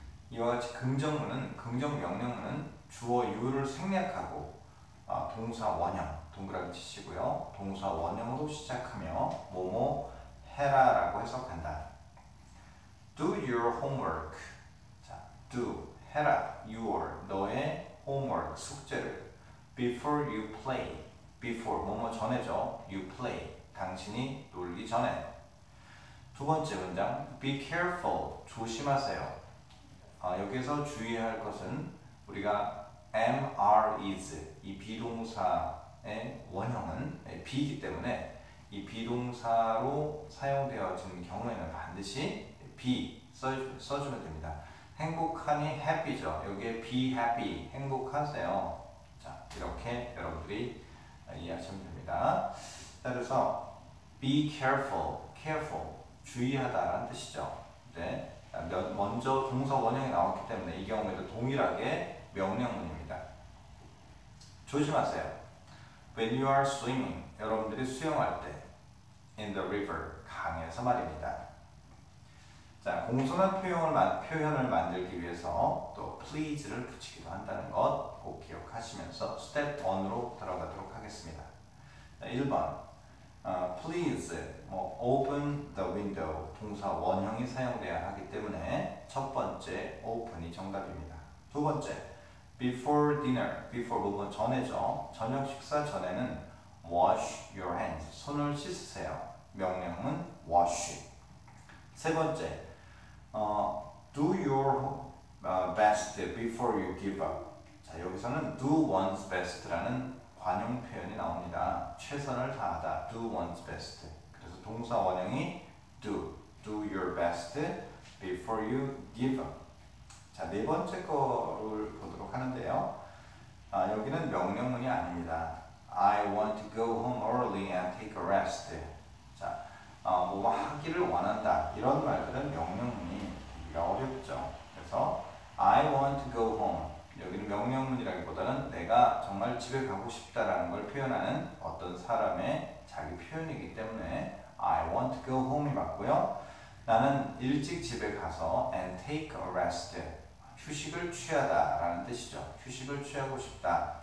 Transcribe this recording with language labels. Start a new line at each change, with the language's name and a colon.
Korean: 이와 같이 긍정문은, 긍정 명령문은 주어 요를 생략하고 동사 원형, 동그라미 치시고요. 동사 원형으로 시작하며 뭐뭐 해라라고 해석한다.
English: Do your homework. Do,
Korean: 해라,
English: your,
Korean: 너의
English: homework,
Korean: 숙제를.
English: Before you play, before,
Korean: 뭐뭐 전에죠.
English: You play,
Korean: 당신이 놀기 전에. 두 번째 문장,
English: be careful,
Korean: 조심하세요. 여기에서 주의할 것은 우리가 am, are, is, 이 비동사의 원형은 be이기 때문에 이 비동사로 사용되어진 경우에는 반드시 be 써주면 됩니다. 행복하니 happy죠. 여기에
English: be happy,
Korean: 행복하세요. 자, 이렇게 여러분들이 이해하시면 됩니다. 자, 그래서
English: be careful, careful,
Korean: 주의하다라는 뜻이죠. 네, 먼저 동사 원형이 나왔기 때문에 이 경우에도 동일하게 명령문입니다. 조심하세요.
English: When you are swimming,
Korean: 여러분들이 수영할 때,
English: in the river,
Korean: 강에서 말입니다. 자, 공손한 표현을 만들기 위해서 또 please를 붙이기도 한다는 것꼭 기억하시면서 스텝 1으로 들어가도록 하겠습니다.
English: 자, 1번, please, 뭐, open the window.
Korean: 동사 원형이 사용되어야 하기 때문에 첫 번째 open이 정답입니다. 두 번째,
English: before dinner.
Korean: before 부분 전에죠. 저녁 식사 전에는
English: wash your hands.
Korean: 손을 씻으세요. 명령은 wash.
English: 세 번째, do your best before you give up.
Korean: 자, 여기서는 do one's best라는 관용 표현이 나옵니다. 최선을 다하다.
English: do one's best.
Korean: 그래서 동사 원형이
English: do your best before you give up.
Korean: 자, 네 번째 거를 보도록 하는데요. 여기는 명령문이 아닙니다.
English: I want to go home early and take a rest.
Korean: 자, 뭐뭐 하기를 원한다. 이런 말들은 명령문이 어렵죠. 그래서
English: I want to go home.
Korean: 여기는 명령문이라기보다는 내가 정말 집에 가고 싶다라는 걸 표현하는 어떤 사람의 자기 표현이기 때문에
English: I want to go home
Korean: 이 맞고요. 나는 일찍 집에 가서
English: and take a rest.
Korean: 휴식을 취하다라는 뜻이죠. 휴식을 취하고 싶다.